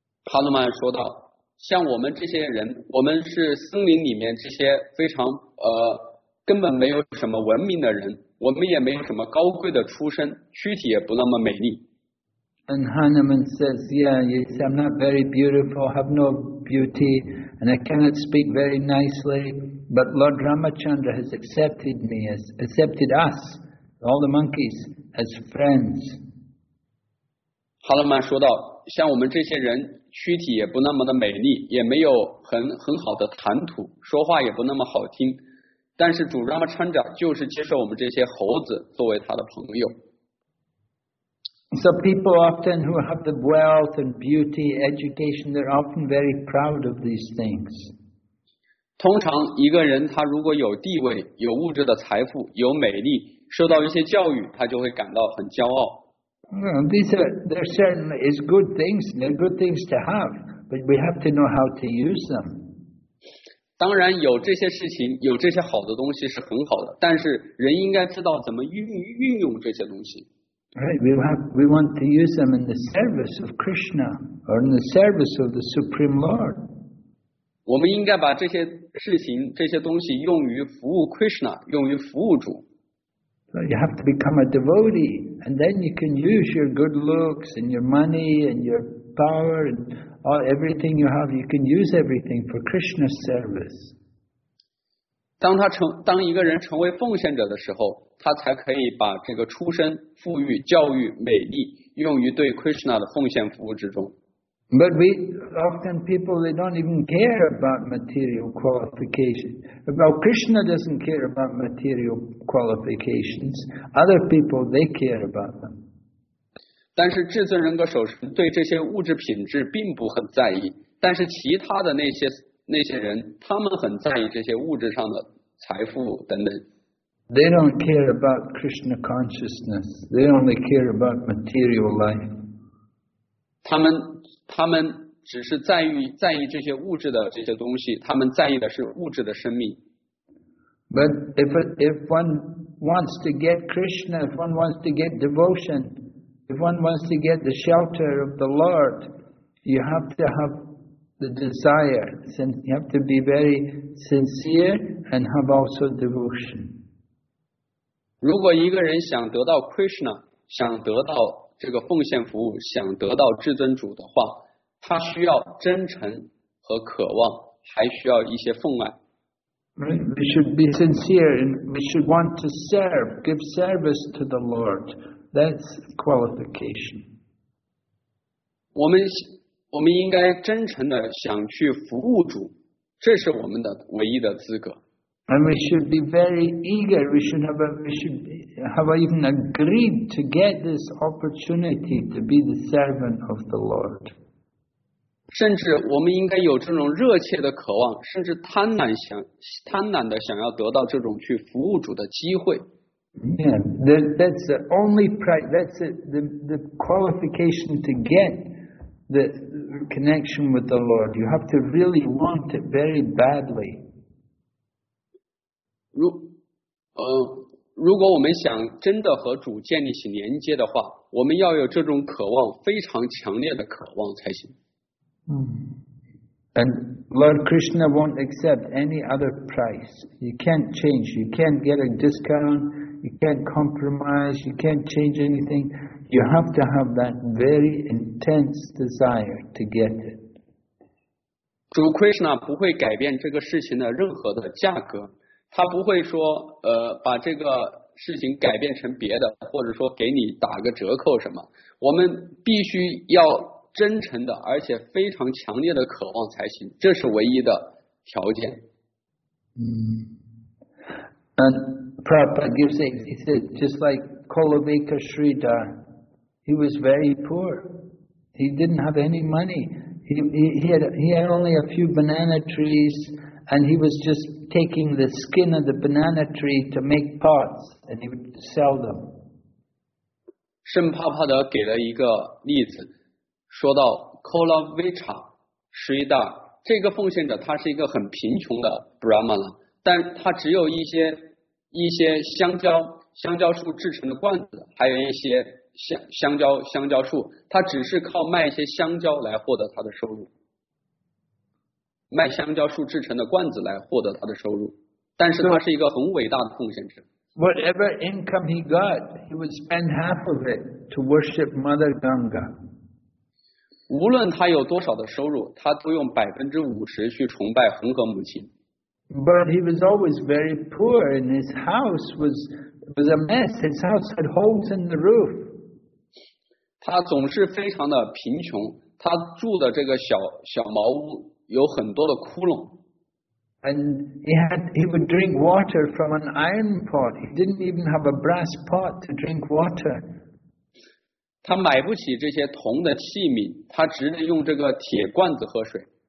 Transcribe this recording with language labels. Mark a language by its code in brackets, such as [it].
[zh] Hanuman 说道，像我们这些人，我们是森林里面这些非常根本没有什么文明的人，我们也没有什么高贵的出身，躯体也不那么美丽。 [en] And Hanuman says, yeah, you say, I'm not very beautiful, have no beauty, and I cannot speak very nicely, but Lord Ramachandra has accepted us, all the monkeys, as friends. [zh] Hanuman 说道，像我们这些人躯体也不那么的美丽，也没有很好的谈吐，说话也不那么好听，但是主 Ramachandra 就是接受我们这些猴子作为他的朋友。 [en] So people often who have the wealth and beauty, education, they're often very proud of these things. [zh] 通常一个人他如果有地位、有物质的财富、有美丽，受到一些教育，他就会感到很骄傲。 [en] They're certainly is good things. They're good things to have, but we have to know how to use them. [zh] 当然有这些事情、有这些好的东西是很好的，但是人应该知道怎么运用这些东西。 [en] Right, we want to use them in the service of Krishna or in the service of the Supreme Lord. [zh] 我们应该把这些事情、这些东西用于服务 Krishna, 用于服务主。 [en] So you have to become a devotee, and then you can use your good looks and your money and your power and all everything you have. You can use everything for Krishna's service. [zh] 当一个人成为奉献者的时候，他才可以把这个出身、富裕、教育、美丽用于对 Krishna 的奉献服务之中。 [en] But we often people they don't even care about material qualifications. Well, Krishna doesn't care about material qualifications. Other people they care about them. [zh] 但是至尊人格守神对这些物质品质并不很在意，但是其他的那些人，他们很在意这些物质上的财富等等。 [en] They don't care about Krishna consciousness. They only care about material life. [zh] 他们只是在意这些物质的这些东西，他们在意的是物质的生命。 [en] But if one wants to get Krishna, if one wants to get devotion, if one wants to get the shelter of the Lord, you have to have the desire. You have to be very sincere and have also devotion. [zh] 如果一个人想得到 Krishna, 想得到这个奉献服务，想得到至尊主的话，他需要真诚和渴望，还需要一些奉爱。 [en] We should be sincere and we should want to serve, give service to the Lord. That's qualification. [zh] 我们应该真诚的想去服务主，这是我们的唯一的资格。 [en] And we should be very eager. We should have even agreed to get this opportunity to be the servant of the Lord. [zh] 甚至我们应该有这种热切的渴望，甚至贪婪的想要得到这种去服务主的机会。 [en] Yeah, that's the only price. That's the qualification to get the connection with the Lord. You have to really want it very badly. [zh] 如果我们想真的和主建立起连接的话，我们要有这种渴望，非常强烈的渴望才行。 [en] And Lord Krishna won't accept any other price. You can't change. You can't get a discount. You can't compromise. You can't change anything. You have to have that very intense desire to get it. [zh] 主 Krishna 不会改变这个事情的任何的价格，他不会说把这个事情改变成别的，或者说给你打个折扣什么。我们必须要真诚的，而且非常强烈的渴望才行，这是唯一的条件。 [en] And Prabhupada gives it, he said, just like Kolavika Sridhar, he was very poor. He didn't have any money. He had only a few banana trees, and he was just taking the skin of the banana tree to make pots, and he would sell them. [zh] 圣帕帕德给了一个例子，说到 Kolavika Sridhar 这个奉献者，他是一个很贫穷的 Brahman， 但他只有一些香蕉树制成的罐子，还有一些香蕉树，他只是靠卖一些香蕉来获得他的收入，卖香蕉树制成的罐子来获得他的收入，但是他是一个很伟大的奉献者。 [en] Whatever income he got, he would spend half of it to worship Mother Ganga. [zh] 无论他有多少的收入，他都用50%去崇拜恒河母亲。 [en] But he was always very poor, and his house was a mess. His house had holes in the roof. [zh] 他总是非常的贫穷，他住的这个小茅屋有很多的窟窿。 [en] And he would drink water from an iron pot. He didn't even have a brass pot to drink water. [zh] 他买不起这些铜的器皿，他只能用这个铁罐子喝水。